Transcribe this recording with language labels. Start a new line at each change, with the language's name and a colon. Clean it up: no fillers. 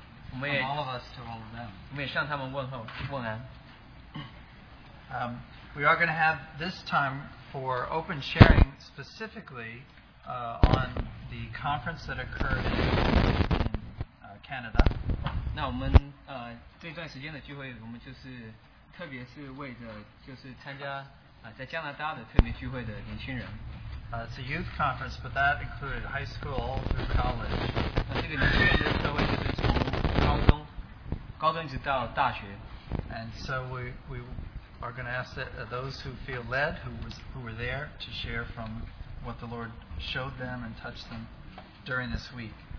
English: From all of us to all of them. We are going to have this time for open sharing specifically on the conference that occurred in Canada.
Chinese: 那我们, 这段时间的聚会我们就是特别是为着就是参加
English: It's a youth conference, but that included high school all through college. And so we are going to ask that those who feel led, who were there, to share from what the Lord showed them and touched them during this week.